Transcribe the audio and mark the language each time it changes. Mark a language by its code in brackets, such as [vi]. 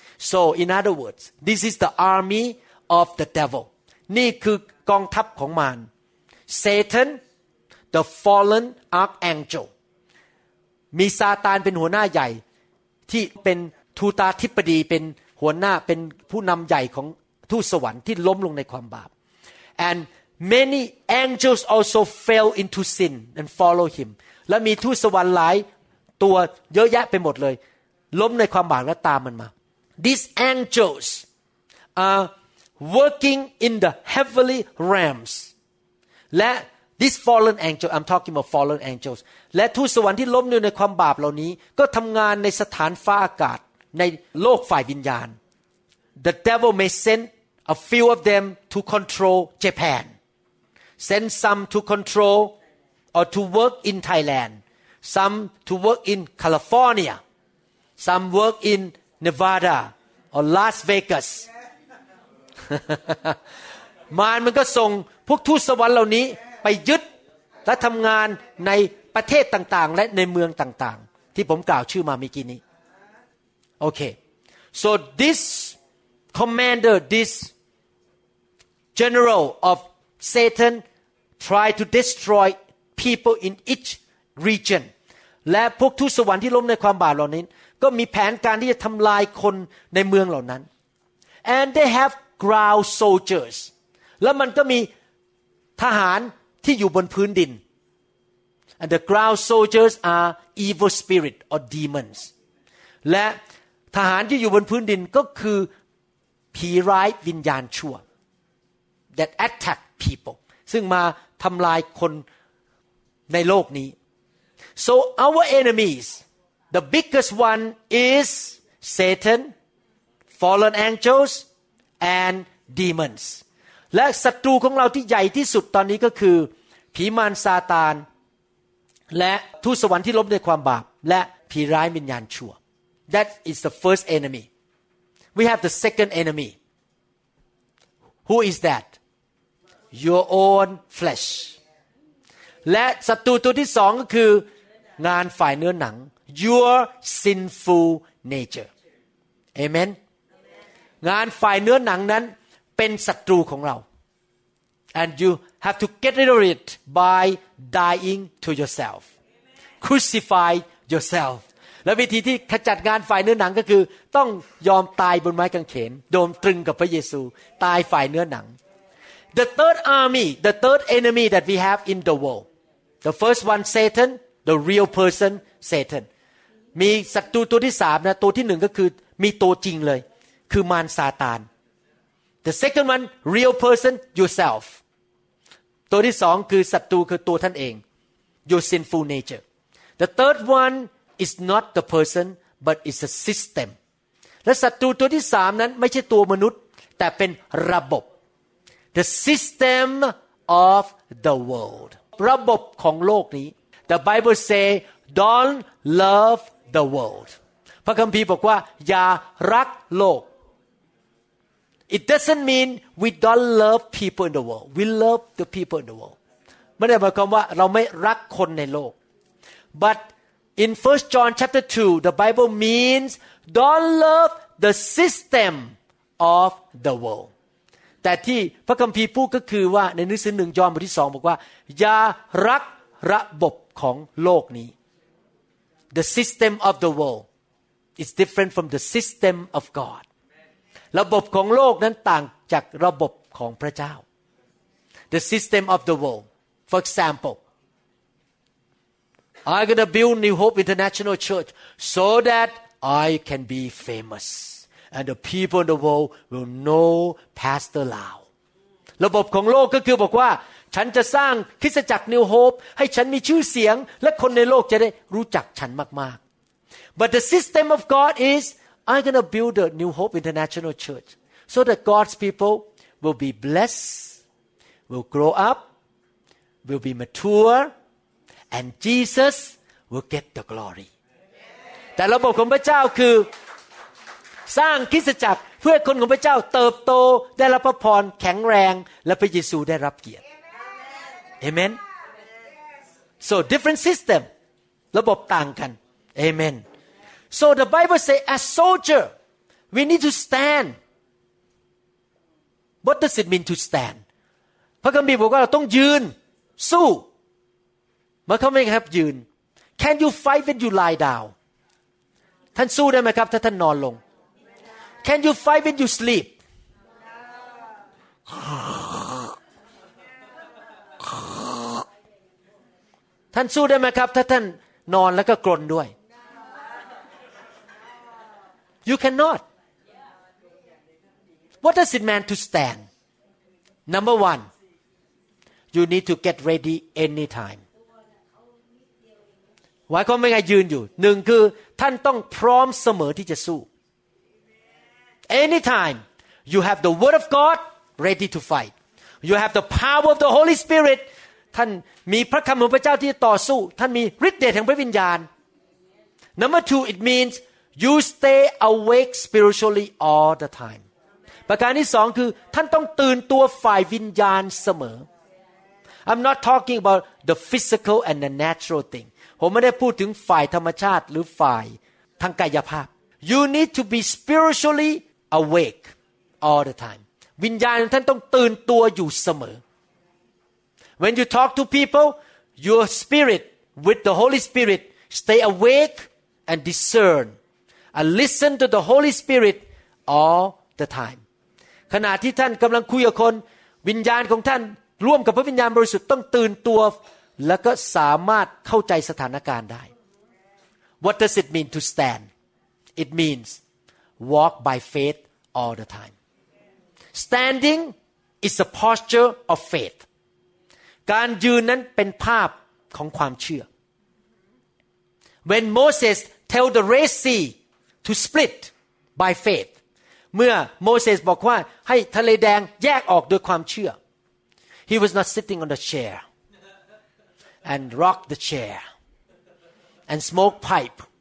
[en] So in other words, this is the army of the devil. [th] นี่คือกองทัพของมาร [en] Satan. The fallen archangel. [th] มีซาตานเป็นหัวหน้าใหญ่ที่เป็นทูตาธิปดีเป็นหัวหน้าเป็นผู้นำใหญ่ของทูตสวรรค์ที่ล้มลงในความบาป [en] And many angels also fell into sin and follow him. [th] และมีทูตสวรรค์หลายตัวเยอะแยะไปหมดเลยล้มในความบาปและตามมันมา [en] These angels are working in the heavenly realms. [th] และ [en] This fallen angel, I'm talking about fallen angels. [th] และทูตสวรรค์ที่ล้มอยู่ในความบาปเหล่านี้ก็ทำงานในสถานฟ้าอากาศในโลกฝ่ายวิญญาณ [en] The devil may send a few of them to control Japan. Send some to control or to work in Thailand. Some to work in California. Some work in Nevada or Las Vegas. [th] มารมันก็ส่งพวกทูตสวรรค์เหล่านี้ไปยึดและทำงานในประเทศต่างๆและในเมืองต่างๆที่ผมกล่าวชื่อมาเมื่อกี้นี้ [en] Okay. So this commander, this general of Satan tried to destroy people in each region. [th] และพวกทูตสวรรค์ที่ล้มในความบาปเหล่านี้ก็มีแผนการที่จะทำลายคนในเมืองเหล่านั้น [en] And they have ground soldiers. [th] แล้วมันก็มีทหารที่อยู่บนพื้นดิน [en] And the ground soldiers are evil spirits or demons. [th] และทหารที่อยู่บนพื้นดินก็คือผีร้ายวิญญาณชั่ว [en] that attack people [th] ซึ่งมาทำลายคนในโลกนี้ [en] so our enemies the biggest one is Satan fallen angels and demons [th] และศัตรูของเราที่ใหญ่ที่สุดตอนนี้ก็คือผีมารซาตานและทูตสวรรค์ที่ล้มในความบาปและผีร้ายวิญญาณชั่ว [en] That is the first enemy. We have the second enemy. Who is that? Your own flesh. [th] และศัตรูตัวที่สองก็คืองานฝ่ายเนื้อหนัง [en] Your sinful nature. Amen. [th] งานฝ่ายเนื้อหนังนั้นเป็นศัตรูของเรา [en] And you have to get rid of it by dying to yourself. Crucify yourself. [th] และวิธีที่ขจัดงานฝ่ายเนื้อหนังก็คือต้องยอมตายบนไม้กางเขนโดนตรึงกับพระเยซูตายฝ่ายเนื้อหนัง [en] The third army, the third enemy that we have in the world. The first one, Satan, the real person, Satan. [th] มีศัตรูตัวที่สามนะตัวที่หนึ่งก็คือมีตัวจริงเลยคือมารซาตาน [en] The second one, real person, yourself. [th] ตัวที่สองคือศัตรูคือตัวท่านเอง [en] your sinful nature. The third oneIs not the person, but it's a system. [th] และศัตรูตัวที่สามนั้นไม่ใช่ตัวมนุษย์แต่เป็นระบบ [en] The system of the world. [th] ระบบของโลกนี้ [en] The Bible say, "Don't love the world." [th] พระคัมภีร์บอกว่าอย่ารักโลก [en] It doesn't mean we don't love people in the world. We love the people in the world. [th] ไม่ได้หมายความว่าเราไม่รักคนในโลก [en] butIn 1 John chapter 2, the Bible means don't love the system of the world. [th] แต่ที่พระคัมภีร์พูดก็คือว่าในหนังสือ1ยอห์นบทที่2บอกว่าอย่ารักระบบของโลกนี้ [en] The system of the world is different from the system of God. [th] ระบบของโลกนั้นต่างจากระบบของพระเจ้า [en] The system of the world, for example,I'm going to build New Hope International Church so that I can be famous. And the people in the world will know Pastor Lau. [th] ระบบของโลกก็คือบอกว่าฉันจะสร้างคริสตจักร New Hope ให้ฉันมีชื่อเสียงและคนในโลกจะได้รู้จักฉันมาก [en] ๆ But the system of God is I'm going to build the New Hope International Church so that God's people will be blessed, will grow up, will be mature,And Jesus will get the glory. [th] แต่ระบบของพระเจ้าคือสร้างคริสตจักรเพื่อคนของพระเจ้าเติบโตได้รับพระพรแข็งแรงและพระเยซูได้รับเกียรติ [en] Amen. So different system. [th] ระบบต่างกัน [en] Amen. So the Bible say as soldier, we need to stand. What does it mean to stand? [th] พระคัมภีร์บอกว่าเราต้องยืนสู้มาเข้าไหมครับยืน [en] Can you fight when you lie down? [th] ท่านสู้ได้ไหมครับถ้าท่านนอนลง [en] Can you fight when you sleep? [th] ท่านสู้ได้ไหมครับถ้าท่านนอนแล้วก็กรนด้วย [en] You cannot. What does it mean to stand? Number one, you need to get ready anytime. [th] หมายความว่าไงยืนอยู่หนึ่งคือท่านต้องพร้อมเสมอที่จะสู้ [en] Anytime you have the word of God ready to fight you have the power of the Holy Spirit [th] ท่านมีพระคำของพระเจ้าที่จะต่อสู้ท่านมีฤทธิ์เดชแห่งพระวิญญาณ [en] Number two it means you stay awake spiritually all the time [th] ประการที่สองคือท่านต้องตื่นตัวฝ่ายวิญญาณเสมอ [en] I'm not talking about the physical and the natural thing. [th] ผมไม่ได้พูดถึงฝ่ายธรรมชาติหรือฝ่ายทางกายภาพ [en] You need to be spiritually awake all the time. [th] วิญญาณท่านต้องตื่นตัวอยู่เสมอ [en] When you talk to people, your spirit with the Holy Spirit stay awake and discern and listen to the Holy Spirit all the time. [th] ขณะที่ท่านกำลังคุยกับคนวิญญาณของท่านร่วมกับพระวิญญาณบริสุทธิ์ต้องตื่นตัวแล้วก็สามารถเข้าใจสถานการณ์ได้ [en] What does it mean to stand? It means walk by faith all the time. Standing is a posture of faith. [th] การยืนนั้นเป็นภาพของความเชื่อ [en] When Moses tell the Red Sea to split by faith, [th] เมื่อโมเสสบอกว่าให้ทะเลแดงแยกออกด้วยความเชื่อ [en] He was not sitting on the chair and rock the chair and smoke pipe.